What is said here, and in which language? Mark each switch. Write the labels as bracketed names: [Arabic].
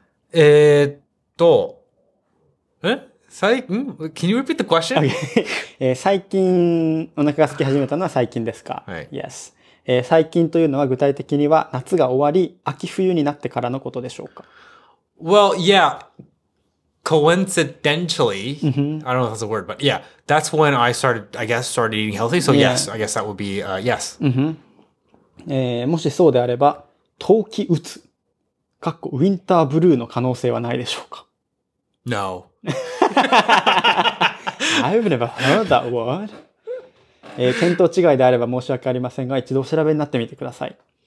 [English] 最近？Can you repeat the question? Okay. [Japanese] 最近お腹が空き始めたのは最近ですか。 [English] Right. Yes. [Japanese] 最近というのは具体的には夏が終わり秋冬になってからのことでしょうか。 [English] Well, yeah. Coincidentally, mm-hmm. I don't know if that's a word, but yeah, that's when I started, I guess, started eating healthy. So yes, I guess that would be, yes. Mm-hmm. [Japanese] もしそうであれば、冬季うつ、かっこウィンターブルーの可能性はないでしょうか? [English] No. I've never heard that word. [Japanese] 見当違いであれば申し訳ありませんが、一度お調べになってみてください。